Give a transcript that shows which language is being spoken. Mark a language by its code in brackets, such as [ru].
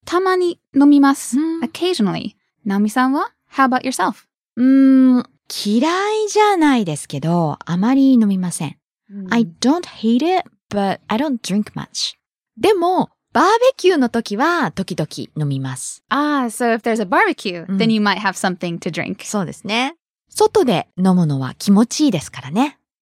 [ja] たまに飲みます。 [en] Occasionally. [ja] ナオミさんは？ [en] How about yourself? [ja] 嫌いじゃないですけど、あまり飲みません。 [en] I don't hate it, but I don't drink much. [ja] でも、バーベキューの時は時々飲みます。 [en] Ah, so if there's a barbecue,、うん、then you might have something to drink. [ja] そうですね。外で飲むのは気持ちいいですからね。